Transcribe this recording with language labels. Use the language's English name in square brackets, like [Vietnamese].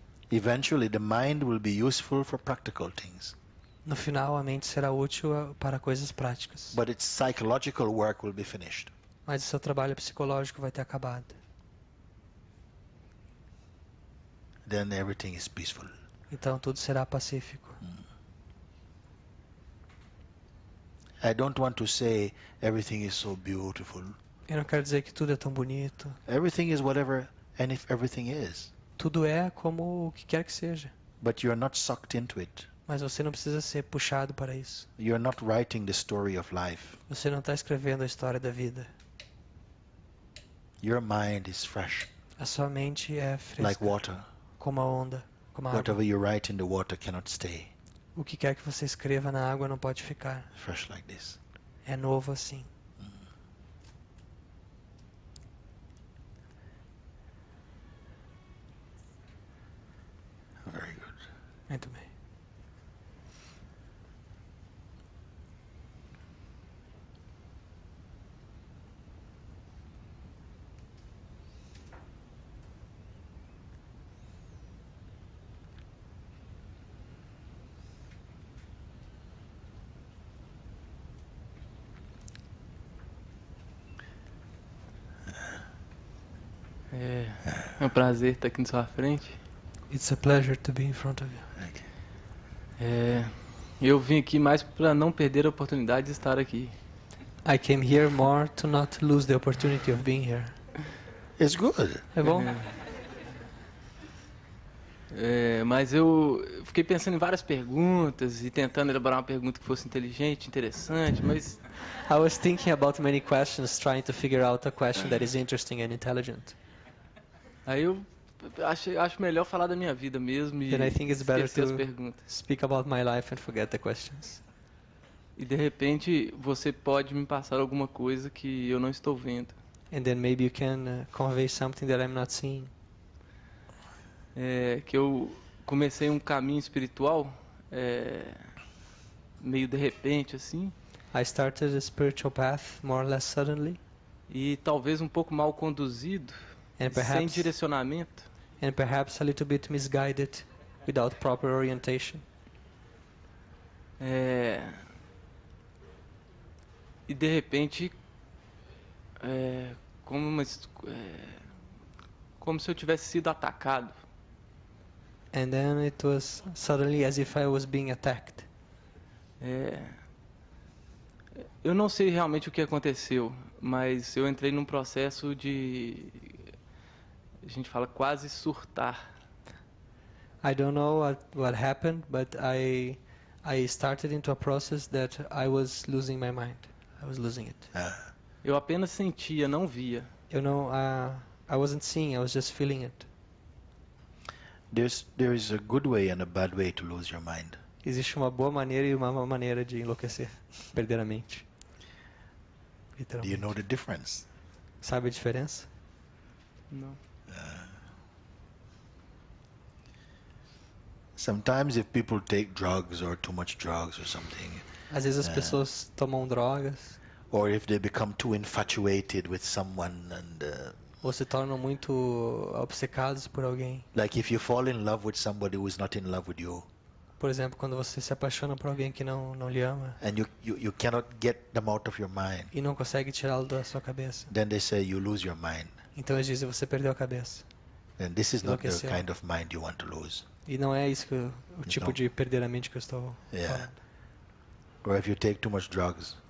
[English] Eventually the mind will be useful for practical things. [Portuguese] No final a mente será útil para coisas práticas. [English] But its psychological work will be finished. [Portuguese] Mas o seu trabalho psicológico vai ter acabado. [English] Then everything is peaceful. [Portuguese] Então tudo será pacífico. [English] I don't want to say everything is so beautiful. [Portuguese] Eu não quero dizer que tudo é tão bonito. [English] Everything is whatever and if everything is. [Portuguese] Tudo é como o que quer que seja. [English] But you are not sucked into it. [Portuguese] Mas você não precisa ser puxado para isso. [English] You are not writing the story of life. [Portuguese] Você não está escrevendo a história da vida. [English] Your mind is fresh. [Portuguese] A sua mente é fresca. [English] Like water. [Portuguese] Como a onda, como a água. [English] Whatever you write in the water cannot stay. [Portuguese] O que quer que você escreva na água não pode ficar. [English] Fresh like this. [Portuguese] É novo assim. [English] Very good. [Portuguese] Muito bem. É um prazer estar aqui na sua frente. [English] It's a pleasure to be in front of you. [Portuguese] Eu vim aqui mais para não perder a oportunidade de estar aqui. [English] I came here more to not lose the opportunity of being here. It's good. [Portuguese] É bom. Mas eu fiquei pensando em várias perguntas e tentando elaborar uma pergunta que fosse inteligente, interessante, mas [English] I was thinking about many questions, trying to figure out a question that is interesting and intelligent. [Portuguese] Aí eu acho melhor falar da minha vida mesmo e esquecer as perguntas. [English] Speak about my life and forget the questions. [Portuguese] E de repente você pode me passar alguma coisa que eu não estou vendo. [English] And then maybe you can convey something that I'm not seeing. [Portuguese] Que eu comecei um caminho espiritual meio de repente assim. [English] I started a spiritual path more or less suddenly. [Portuguese] E talvez um pouco mal conduzido. [English] And perhaps, [Portuguese] sem direcionamento. [English] And perhaps a little bit misguided, without proper orientation. [Portuguese] E de repente, como se eu tivesse sido atacado. [English] And then it was suddenly as if I was being attacked. [Portuguese] Eu não sei realmente o que aconteceu, mas eu entrei num processo de a gente fala quase surtar. [English] I don't know what happened, but I started into a process that I was losing my mind. I was losing it. [Portuguese] Eu apenas sentia, não via. [English] You know, I wasn't seeing, I was just feeling it. There is a good way and a bad way to lose your mind. [Portuguese] Existe uma boa maneira e uma má maneira de enlouquecer, perder a mente. [English] Do you know the difference? [Portuguese] Sabe a diferença? Não. [English] Sometimes if people take drugs or too much drugs or something. [Portuguese] Às vezes as pessoas tomam drogas. [English] Or if they become too infatuated with someone and [Portuguese] ou se tornam muito obcecados por alguém. [English] Like if you fall in love with somebody who is not in love with you. [Portuguese] Por exemplo, quando você se apaixona por alguém que não lhe ama. [English] And you cannot get them out of your mind. [Portuguese] E não consegue tirá-lo da sua cabeça. [English] Then they say you lose your mind. [Portuguese] Então eles dizem, você perdeu a cabeça. [English] And this is not the kind of mind you want to lose. [Portuguese] E não é isso que o tipo de perder a mente que eu estou falando. [English] Yeah. Or if you take too much drugs.